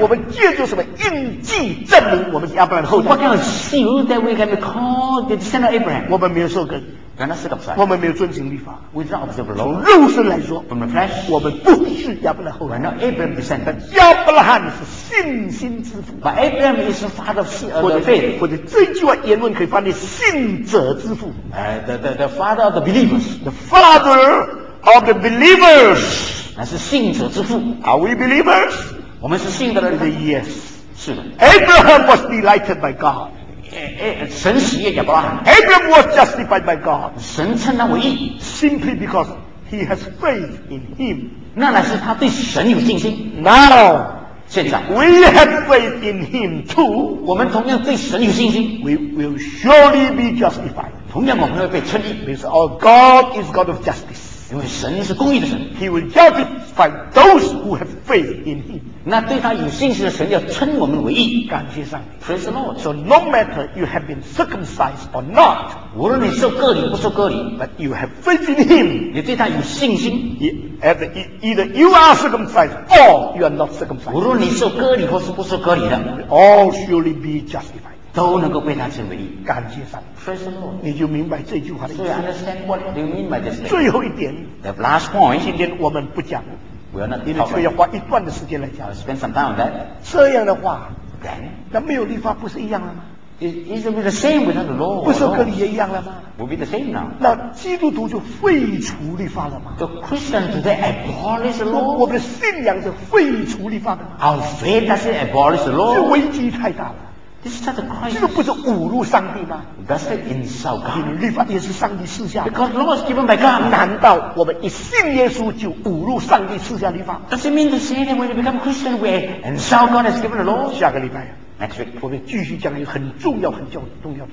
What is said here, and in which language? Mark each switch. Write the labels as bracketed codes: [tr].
[zh] 我们借着什么印记证明我们是亚伯兰的后代 [en] what kind of seal that we can be called the descendant of Abraham [zh] 我们没有受割礼我们没有遵行律法 [en] we don't observe the law [zh] 从肉身来说 [en] from the flesh [zh] 我们不是亚伯兰后代 [en] we're not Abraham descendant [zh] 亚伯拉罕是信心之父 [en] but Abraham is the father of seed of the faith [zh] 或者这句话言论可以翻译信者之父 [en] the father of the believers the fatherOf the believers, [zh] 那是信者之父。 [en] Are we believers? [zh] 我们是信的人。 [en] Yes, [zh] 是的。 [en] Abraham was delighted by God. [zh] 神喜悦亚伯拉罕。 [en] Abraham was justified by God. [zh] 神称他为义。 [en] Simply because he has faith in Him. [zh] 那乃是他对神有信心。 [en] Now, [zh] 现在。 [en] We have faith in Him too. [zh] 我们同样对神有信心。 [en] We will surely be justified. [zh] 同样我们会被称义。 [en] Because our God is God of justice. [zh] 因为神是公义的神 [en] He will justify those who have faith in him [zh] 那对他有信心的神要称我们为义感谢上帝 [en] Praise the Lord So no matter you have been circumcised or not [zh] 无论你受割礼不受割礼 [en] But you have faith in him [zh] 你对他有信心 [en] Either you are circumcised or you are not circumcised [zh] 无论你受割礼或是不受割礼的 [en] All surely be justified [zh] 都能够被他称为义感谢上帝你就明白这句话的意思 [en] so understand what do you mean by this [zh] 最后一点 [en] the last point [zh] 今天我们不讲 [en] we are not talking [zh] 因为这个要花一段的时间来讲 [en] we'll spend some time on that [zh] 这样的话 [en] then [zh] 那没有律法不是一样了吗 [en] is it the same without the law [zh] 不受割礼也一样了吗 [en] will be the same now [zh] 那基督徒就废除律法了吗 [en] the Christian today abolish the law [zh] 我们的信仰是废除律法的吗 [en] our faith has abolished the law [zh] 这危机太大了这个不是侮辱上帝吗 [en] That's the insult God [zh] 因为律法也是上帝赐下的 [en] Because law is given by God [zh] 难道我们一信耶稣就侮辱上帝赐下律法 [en] Does it mean to say that when you become Christian we insult God has given the law [zh] 下个礼拜 [en] Next week [zh] 我们继续讲一个很重要很重要的